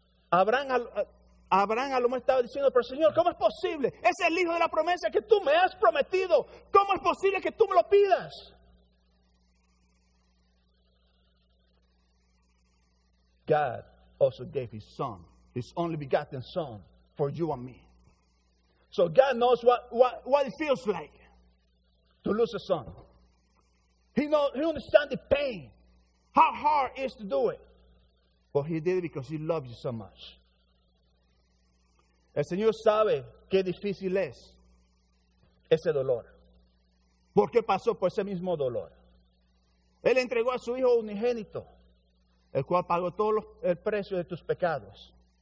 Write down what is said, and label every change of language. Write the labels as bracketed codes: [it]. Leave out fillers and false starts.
[es] Abraham a lo mejor estaba diciendo, pero Señor, ¿cómo es posible? Es el hijo de la promesa que tú me has prometido. ¿Cómo es posible que tú me lo pidas? [en] God also gave his son, his only begotten son, for you and me. So God knows what it feels like to lose a son. He understands the pain, how hard it is to do it. But he did it because he loves you so much. [es] El Señor sabe qué difícil es ese dolor. ¿Por qué pasó por ese mismo dolor? Él entregó a su hijo unigénito, el cual pagó todo el precio de tus pecados.